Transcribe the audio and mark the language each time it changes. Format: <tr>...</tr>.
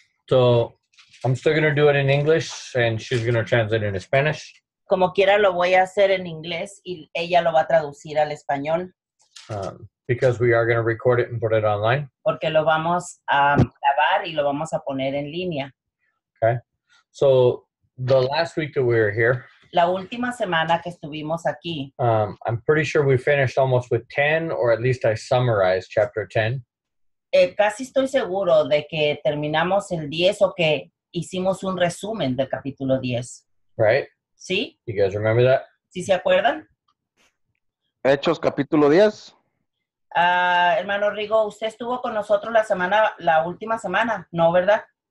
<en>So I'm still going to do it in English and she's going to translate it in Spanish.</en> <es>Como quiera lo voy a hacer en inglés y ella lo va a traducir al español.</es> <en>Because we are going to record it and put it online.</en> <es>Porque lo vamos a grabar y lo vamos a poner en línea.</es> <en>Okay. So the last week that we were here.</en> <es>La última semana que estuvimos aquí.</es> <en>I'm pretty sure we finished almost with 10 or at least I summarized chapter 10.</en> <es>Casi estoy seguro de que terminamos el 10 o que hicimos un resumen del capítulo 10.</es> <en>Right.</en> <es>¿Sí?</es> <en>You guys remember that?</en> <es>¿Sí se acuerdan? Hechos capítulo 10. Hermano Rigo, usted estuvo con nosotros la última semana, ¿no, verdad?</es>